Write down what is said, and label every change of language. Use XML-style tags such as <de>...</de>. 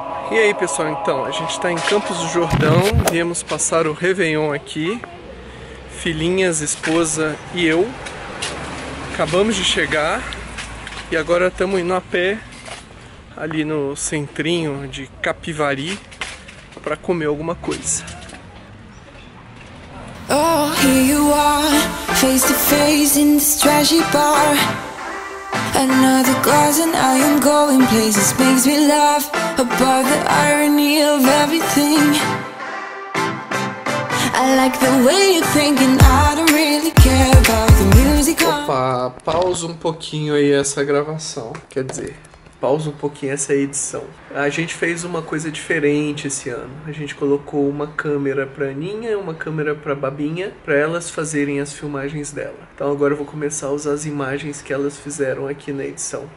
<pt>E aí, pessoal, então, a gente está em Campos do Jordão, viemos passar o Réveillon aqui, filhinhas, esposa e eu. Acabamos de chegar e agora estamos indo a pé ali no centrinho de Capivari para comer alguma coisa.</pt> <en>Oh, here you are, face to face in this trashy bar. Another glass and I am going places. Makes me laugh above the irony of everything. I like the way you're thinking. I don't really care about the music.</en> <pt>Opa, pausa um pouquinho aí essa gravação. Quer dizer, pausa um pouquinho essa edição. A gente fez uma coisa diferente esse ano. A gente colocou uma câmera pra Aninha e uma câmera pra Babinha, pra elas fazerem as filmagens dela. Então agora eu vou começar a usar as imagens que elas fizeram aqui na edição.</pt>